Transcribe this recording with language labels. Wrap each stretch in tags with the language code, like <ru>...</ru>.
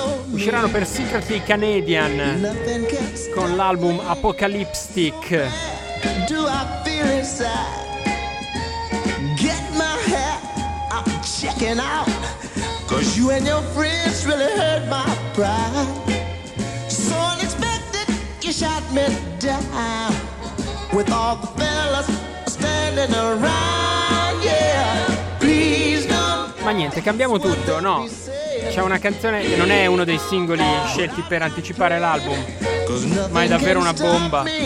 <it>Usciranno per Secretly Canadian con l'album Apocalyptic.</it> <en>Do I feel inside? Get my hat, I'm checking out. 'Cause you and your friends really hurt my pride. So unexpected, you shot me down with all the fellas standing around. Yeah, please don't.</en> <it>Ma niente, cambiamo tutto, no? C'è una canzone che non è uno dei singoli scelti per anticipare l'album, ma è davvero una bomba.</it>